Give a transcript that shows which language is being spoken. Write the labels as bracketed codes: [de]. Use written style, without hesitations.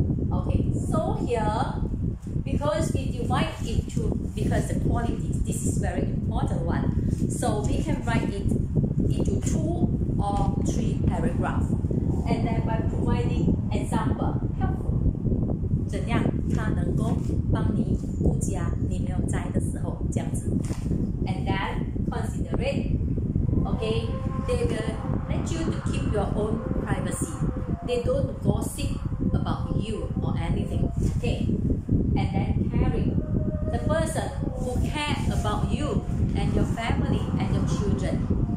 [en] Okay, so here, because we divide it to, because the qualities, this is very important one. So we can write it into two or three paragraphs. And then by providing example, helpful. [zh] 怎样它能够帮你顾家你没有在的时候这样子。 [en] And then consider it. Okay, they will let you to keep your own privacy. They don't gossip about you or anything. Okay, and then caring. The person who cares about you and your family and your children.